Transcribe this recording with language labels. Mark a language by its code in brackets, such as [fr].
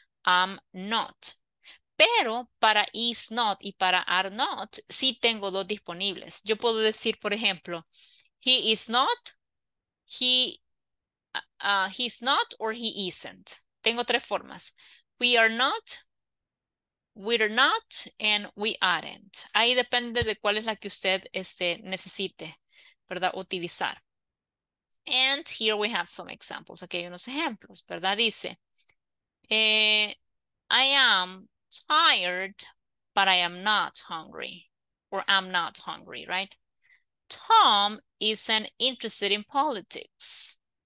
[en] I'm not. [es] Pero para is not y para are not, sí tengo dos disponibles. Yo puedo decir, por ejemplo, [en] he is not, he's not, or he isn't. [es] Tengo tres formas. [en] We are not, we're not, and we aren't. [es] Ahí depende de cuál es la que usted necesite, ¿verdad? Utilizar. [en] And here we have some examples. [es] Aquí hay unos ejemplos, ¿verdad? Dice, [en] I am tired, but I am not hungry, or I'm not hungry, right? Tom isn't interested in politics.